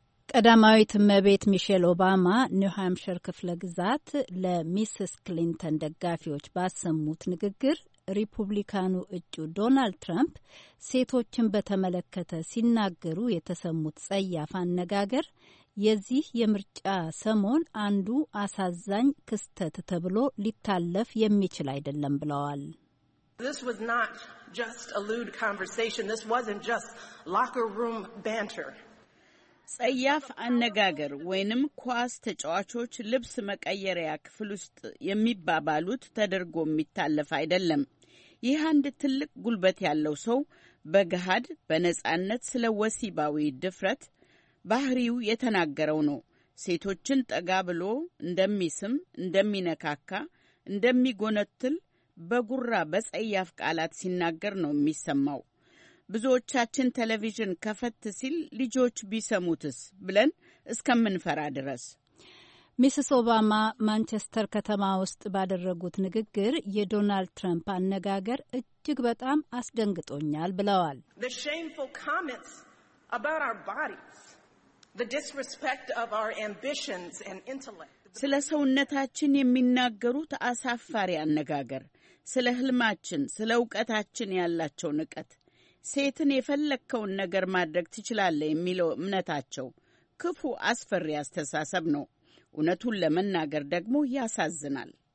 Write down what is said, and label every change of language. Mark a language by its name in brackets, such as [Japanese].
[Amharic] ቀዳማዊት እመቤት ሚሼል ኦባማ ኒው ሃምፕሻየር ክፍለ ግዛት ለሚስስ ክሊንተን ደጋፊዎች ባሰሙት ንግግር ሪፑብሊካኑ እጩ ዶናልድ ትራምፕ ሴቶችን በተመለከተ ሲናገሩ የተሰሙት ጸያፍ አነጋገር የዚህ የምርጫ ሰሞን አንዱ አሳዛኝ ክስተት ተብሎ ሊታለፍ የሚችል አይደለም ብለዋል። [English] This was not just a lewd conversation. This wasn't just locker room banter. [Amharic] ጸያፍ አነጋገር ወይንም ኳስ ተጫዋቾች ልብስ መቀየሪያ ክፍል ውስጥ የሚባባሉት ተደርጎ የሚታለፍ አይደለም። ይህ አንድ ትልቅ ጉልበት ያለው ሰው በገሃድ በነጻነት ስለ ወሲባዊ ድፍረት ባህሪው የተናገረው ነው። ሴቶችን ጠጋ ብሎ እንደሚስም፣ እንደሚነካካ፣ እንደሚጎነትል በጉራ በጸያፍ ቃላት ሲናገር ነው የሚሰማው። ብዙዎቻችን ቴሌቪዥን ከፈት ሲል ልጆች ቢሰሙትስ ብለን እስከምንፈራ ድረስ። ሚስስ ኦባማ ማንቸስተር ከተማ ውስጥ ባደረጉት ንግግር የዶናልድ ትራምፕ አነጋገር እጅግ በጣም አስደንግጦኛል ብለዋል። [English] The shameful comments about our bodies, the disrespect of our ambitions and intellect. [Amharic] ስለ ሰውነታችን የሚናገሩት አሳፋሪ አነጋገር፣ ስለ ህልማችን፣ ስለ ዕውቀታችን ያላቸው ንቀት፣ ሴትን የፈለከውን ነገር ማድረግ ትችላለህ የሚለው እምነታቸው ክፉ አስፈሪ አስተሳሰብ ነው። እነቱን ለመናገር ደግሞ ያሳዝናል።